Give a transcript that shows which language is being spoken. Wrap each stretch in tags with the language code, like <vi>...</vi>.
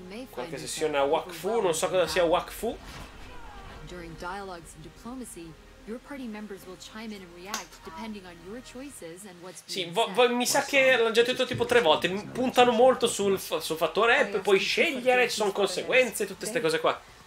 <it>Qualche sessione a Wakfu, non so cosa sia Wakfu.</it> <en>During dialogues and diplomacy, your party members will chime in and react depending on your choices and what's being said.</en> <it>Sì, mi sa che l'hanno già detto tipo tre volte, puntano molto sul fattore app, puoi scegliere, ci sono conseguenze, tutte queste cose qua.</it>